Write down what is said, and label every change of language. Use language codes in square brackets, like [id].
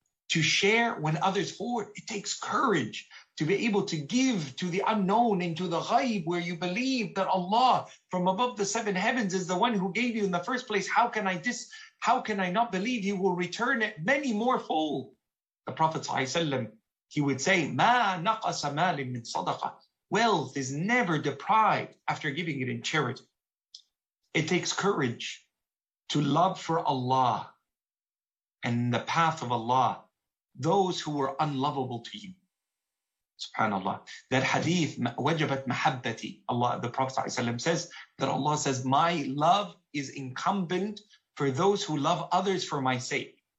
[en] To share when others hoard, it takes courage to be able to give to the unknown and to the ghaib where you believe that Allah from above the seven heavens is the one who gave you in the first place. How can I not believe you will return it many more fold? The Prophet ﷺ, he would say, [ar] ما نقص مال من صدقة. [en] Wealth is never deprived after giving it in charity. It takes courage to love for Allah and the path of Allah, those who were unlovable to you. SubhanAllah. That hadith, [ar] wajabat mahabbati, [en] Allah, the Prophet ﷺ says, that Allah says, my love is incumbent for those who love others for my sake.